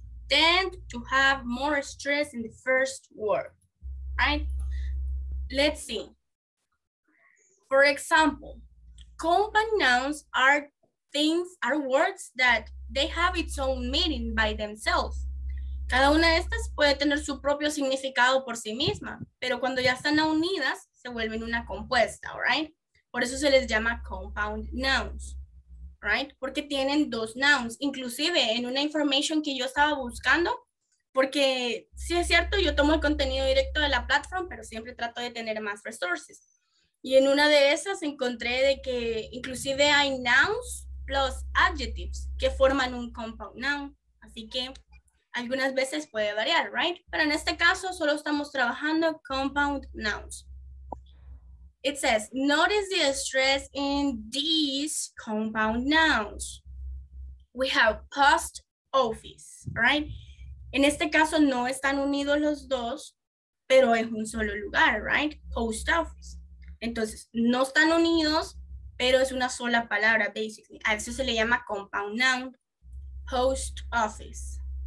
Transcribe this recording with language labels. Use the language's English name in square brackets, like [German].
[English] Tend to have more stress in the first word, right? Let's see. For example, compound nouns are words that they have its own meaning by themselves. [Spanish] Cada una de estas puede tener su propio significado por sí misma, pero cuando ya están unidas, se vuelven una compuesta, right? Por eso se les llama compound nouns. Right? Porque tienen dos nouns, inclusive en una information que yo estaba buscando, porque sí es cierto, yo tomo el contenido directo de la platform, pero siempre trato de tener más resources. Y en una de esas encontré de que inclusive hay [English] nouns plus adjectives [Spanish] que forman un compound noun. Así que algunas veces puede variar, right? Pero en este caso solo estamos trabajando compound nouns. [English] It says, notice the stress in these compound nouns. We have post office, right? [Spanish] En este caso no están unidos los dos, pero es un solo lugar, right? Post office. Entonces, no están unidos, pero es una sola palabra, basically. A eso se le llama compound noun. Post office.